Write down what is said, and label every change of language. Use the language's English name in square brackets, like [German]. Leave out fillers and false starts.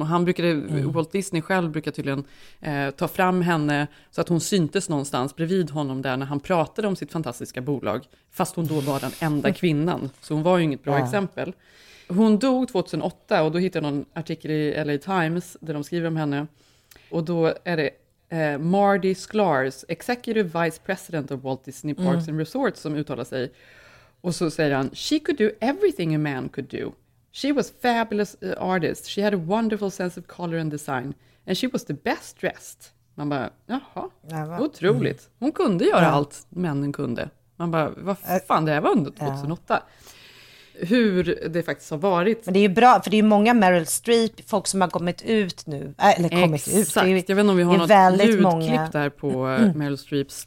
[Swedish] Och han brukade, Walt Disney själv brukar tydligen ta fram henne så att hon syntes någonstans bredvid honom där när han pratade om sitt fantastiska bolag, fast hon då var den enda kvinnan. Så hon var ju inget bra exempel. Hon dog 2008 och då hittade jag någon artikel i LA Times där de skriver om henne. Och då är det Marty Sklars, [English] executive vice president of Walt Disney Parks and Resorts, [Swedish] som uttalar sig. Och så säger han, [English] she could do everything a man could do. She was fabulous artist. She had a wonderful sense of color and design. And she was the best dressed. [Swedish] Man bara, jaha, otroligt. Hon kunde göra allt männen kunde. Man bara, vad fan, det här var under 2008. hur det faktiskt har varit. Men det är ju bra, för det är ju många Meryl Streep, folk som har kommit ut nu. Eller kommit exakt. Ut. Det är, jag vet inte om vi har något ljudklipp många... där på Meryl Streeps